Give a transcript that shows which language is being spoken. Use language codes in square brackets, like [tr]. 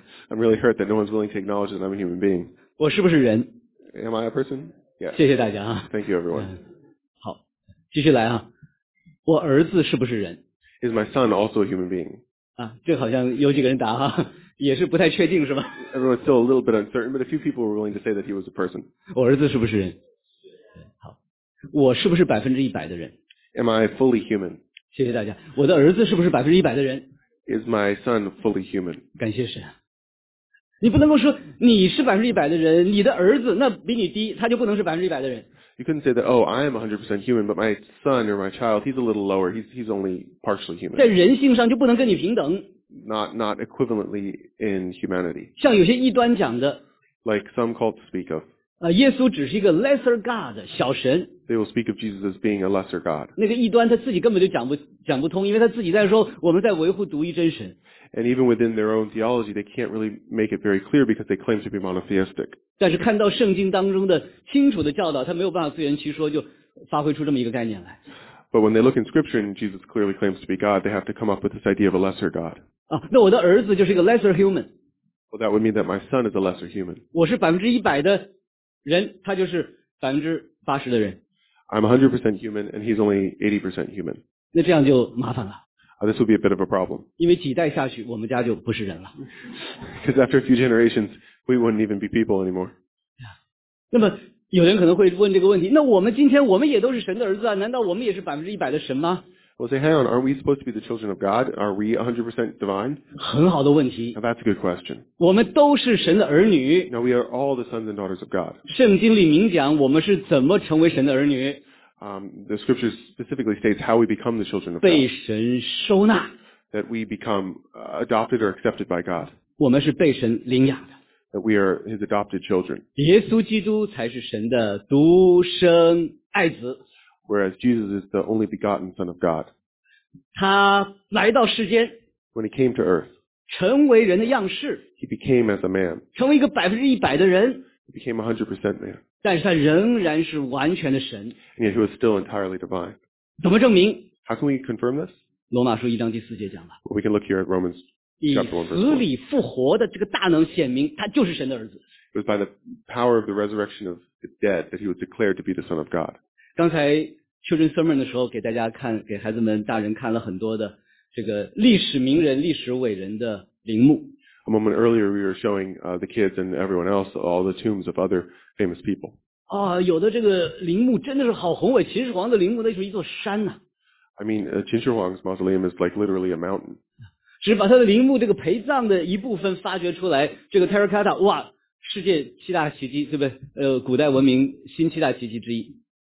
[en] I'm really hurt that no one's willing to acknowledge that I'm a human being. [zh] 我是不是人 [en] Am I a person? Yes. [zh] 谢谢大家啊 [en] Thank you, everyone. [zh] 好，继续来啊。我儿子是不是人 [en] Is my son also a human being? [zh] 啊，这好像有几个人答哈。也是不太确定是吧 [en] Everyone's still a little bit uncertain, but a few people were willing to say that he was a person. [zh] 我儿子是不是人好。我是不是百分之一百的人 [en] Am I fully human? [zh] 谢谢大家。我的儿子是不是百分之一百的人 [en] Is my son fully human? [zh] 感谢神。你不能够说你是百分之一百的人你的儿子那比你低他就不能是百分之一百的人。 [en] You couldn't say that, oh, I am 100% human, but my son or my child, he's a little lower, he's only partially human. [zh] 在人性上就不能跟你平等。 [en] Not equivalently in humanity. [zh] 像有些异端讲的 [en] Like some cults speak of. [zh] 耶稣只是一个 [en] lesser God, [zh] 小神。 [en] They will speak of Jesus as being a lesser God. [zh] 那个异端他自己根本就讲不通因为他自己在说我们在维护独一真神。 [en] And even within their own theology, they can't really make it very clear because they claim to be monotheistic. [zh] 但是看到圣经当中的清楚的教导他没有办法自圆其说就发挥出这么一个概念来。 [en] But when they look in scripture and Jesus clearly claims to be God, they have to come up with this idea of a lesser God. [zh] 啊，那我的儿子就是一个 [en] lesser human. Well, that would mean that my son is a lesser human. [zh] 我是100%的人，他就是80%的人。 [en] I'm 100% human and he's only 80% human. [zh] 那这样就麻烦了。 [en] This would be a bit of a problem. [zh] 因为几代下去，我们家就不是人了。 [en] Because after a few generations, we wouldn't even be people anymore. [zh] 那么有人可能会问这个问题：那我们今天我们也都是神的儿子啊？难道我们也是100%的神吗 [en] ？Well, say, hang on. Aren't we supposed to be the children of God? Are we 100% divine? [zh] 很好的问题。 [en] Now, that's a good question. [zh] 我们都是神的儿女。 [en] Now we are all the sons and daughters of God. [zh] 圣经里明讲我们是怎么成为神的儿女。 [en] The scripture specifically states how we become the children of God. [zh] 被神收纳。 [en] That we become adopted or accepted by God. [zh] 我们是被神领养的。 [en] That we are his adopted children. [zh] 耶稣基督才是神的独生爱子。 [en] Whereas Jesus is the only begotten son of God. [zh] 他来到世间。 [en] When he came to earth. [zh] 成为人的样式。 [en] He became as a man. [zh] 成为一个100%的人。 [en] He became 100% man. [zh] 但是他仍然是完全的神。 [en] And yet he was still entirely divine. [zh] 怎么证明 [en] ？How can we confirm this? [zh] 罗马书一章第四节讲了。 [en] We can look here at Romans chapter one. [zh] 以死里复活的这个大能显明，他就是神的儿子。 [en] It was by the power of the resurrection of the dead that he was declared to be the Son of God. [zh] 刚才 [en] children sermon [zh] 的时候，给大家看，给孩子们、大人看了很多的这个历史名人、历史伟人的陵墓。 [en] A moment earlier, we were showing the kids and everyone else all the tombs of other famous people. [zh] 啊，有的这个陵墓真的是好宏伟。秦始皇的陵墓那是一座山呐。 [en] I mean, 秦始皇's mausoleum is like literally a mountain. [zh] 只把他的陵墓这个陪葬的一部分发掘出来，这个 terracotta， 哇，世界七大奇迹，对不对？古代文明新七大奇迹之一。